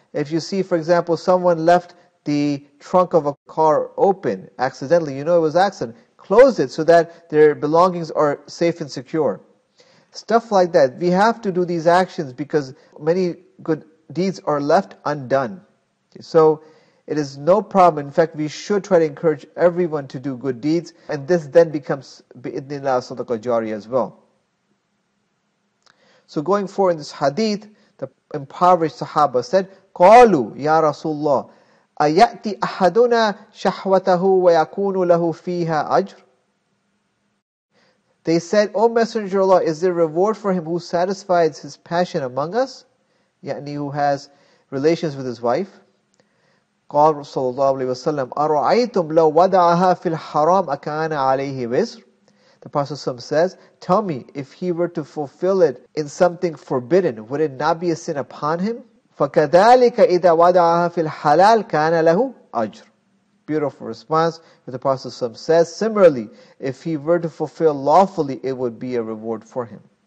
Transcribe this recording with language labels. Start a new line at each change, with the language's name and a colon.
English: If you see, for example, someone left the trunk of a car open accidentally, you know it was accident, close it so that their belongings are safe and secure. Stuff like that. We have to do these actions because many good deeds are left undone. So it is no problem. In fact, we should try to encourage everyone to do good deeds. And this then becomes bi-idhnillah sadaqa jari as well. So going forward in this hadith, the impoverished sahaba said,
Arabic: قَالُوا يَا رَسُولَ اللَّهِ أَيَأْتِ أَحَدُنَا شَحْوَتَهُ وَيَكُونُ لَهُ فِيهَا أَجْرٌ.
English: They said, O Messenger of Allah, is there reward for him who satisfies his passion among us?
Arabic: يعني
English: who has relations with his wife.
Arabic: قال صلى الله عليه وسلم أرأيتم لو وضعها في الحرام أكان عليه وزر.
English: The Prophet ﷺ says, tell me, if he were to fulfill it in something forbidden, would it not be a sin upon him?
Arabic: فَكَذَلِكَ إِذَا وَدَعَهَا فِي الْحَلَالِ كَانَ لَهُ أَجْرٌ.
English: Beautiful response. The Prophet ﷺ says, similarly, if he were to fulfill lawfully, it would be a reward for him.